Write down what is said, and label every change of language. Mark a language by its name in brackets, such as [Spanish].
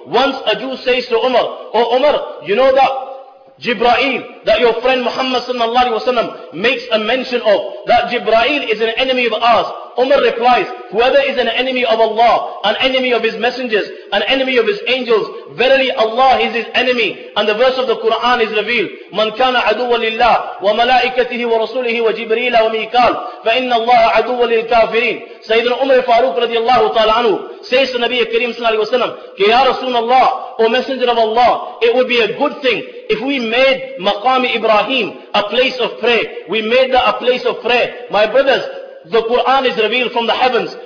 [English] Once a Jew says to Umar, O Umar, you know that Jibreel, that your friend Muhammad sallallahu alayhi wa sallam makes a mention of, that Jibreel is an enemy of ours. Umar replies, whoever is an enemy of Allah, an enemy of his messengers, an enemy of his angels, verily Allah is his enemy. And the verse of the Quran is revealed, [Arabic] مَنْ كَانَ عَدُوَّ لِلَّهِ وَمَلَائِكَتِهِ وَرَسُولِهِ وَجِبْرِيلَ وَمِيكَالِ فَإِنَّ اللَّهَ عَدُوَّ لِلْكَافِرِينَ. [English] Sayyidina Umar Faruq radiallahu ta'ala anhu says to Nabi Kareem sallallahu alayhi wa sallam, Ke Ya Rasulullah, O Messenger of Allah, it would be a good thing if we made Maqami Ibrahim a place of prayer. We made that a place of prayer. My brothers, the Quran is revealed from the heavens.